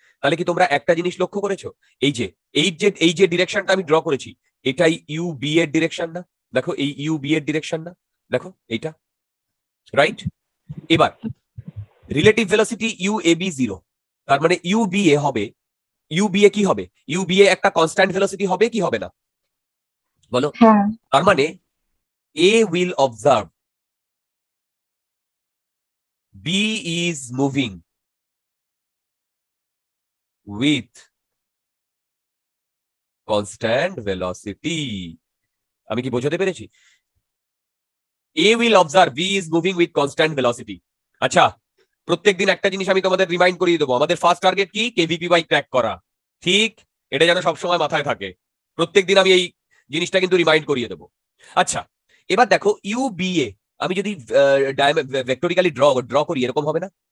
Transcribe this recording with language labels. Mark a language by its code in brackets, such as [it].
[bn] তাহলে কি তোমরা একটা জিনিস লক্ষ্য করেছো? এই যে এই যে এই যে ডিরেকশনটা আমি ড্র করেছি, এটাই ইউ বি এর ডিরেকশন না? দেখো এই ইউ বি এর ডিরেকশন না, দেখো এইটা, রাইট? এবার relative velocity U A B zero, তার মানে ইউ বি এ হবে, ইউ বি এ কি হবে? ইউ বি এ একটা কনস্ট্যান্ট ভেলোসিটি হবে কি হবে না, বলো? তার মানে [en] A will observe B is moving with constant velocity. [bn] আমি কি বোঝাতে পেরেছি? [en] A will observe B is moving with constant velocity. [bn] আচ্ছা, প্রত্যেকদিন একটা জিনিস আমি তোমাদের রিমাইন্ড করিয়ে দেবো, আমাদের ফার্স্ট টার্গেট কি? KVP বাই ট্র্যাক করা, ঠিক? এটা যেন সবসময় মাথায় থাকে, প্রত্যেকদিন আমি এই জিনিসটা কিন্তু রিমাইন্ড করিয়ে দেবো। আচ্ছা এবার দেখো, UBA আমি যদি ভেক্টরিক্যালি ড্র করি এরকম হবে না?